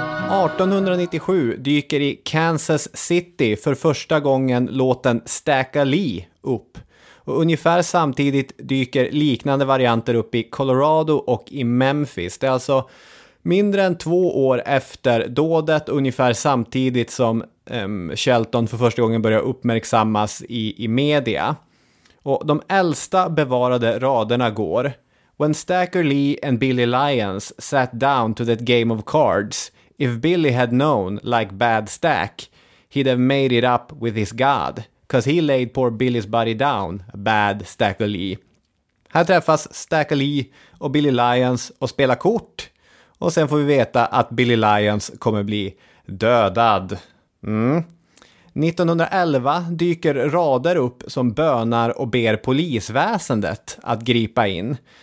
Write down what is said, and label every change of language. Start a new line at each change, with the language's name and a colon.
Swedish: ...1897 dyker i Kansas City för första gången låten Stack Lee upp. Och ungefär samtidigt dyker liknande varianter upp i Colorado och i Memphis. Det är alltså mindre än 2 år efter dådet, ungefär samtidigt som Shelton för första gången börjar uppmärksammas i media.
English: Och de äldsta bevarade raderna går: "When Stacker Lee and Billy Lyons sat down to that game of cards, if Billy had known, like Bad Stack, he'd have made it up with his God, 'cause he laid poor Billy's body down, Bad Stack Lee."
Swedish: Här träffas Stack Lee och Billy Lyons och spelar kort. Och sen får vi veta att Billy Lyons kommer bli dödad. Mm. 1911 dyker rader upp som bönar och ber polisväsendet att gripa in.